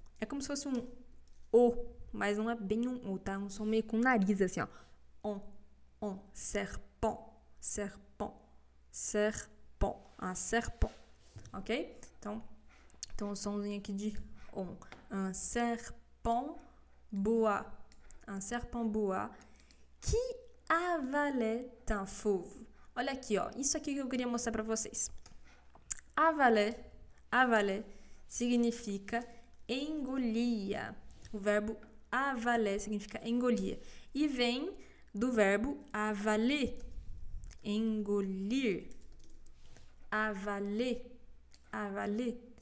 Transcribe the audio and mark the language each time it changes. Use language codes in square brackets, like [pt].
[pt] É como se fosse um O, mas não é bem um O, tá? É um som meio com nariz, assim, ó. [fr] On, on, serpent, serpent, serpent, un serpent, ok? [pt] Então, o somzinho aqui de on. [fr] Un serpent bois. Un serpent bois qui avalait un fauve. [pt] Olha aqui, ó. Isso aqui que eu queria mostrar pra vocês. Avalait significa engolia. O verbo avalait significa engolia. E vem do verbo avaler. Engolir. [fr] Avaler. Avaler.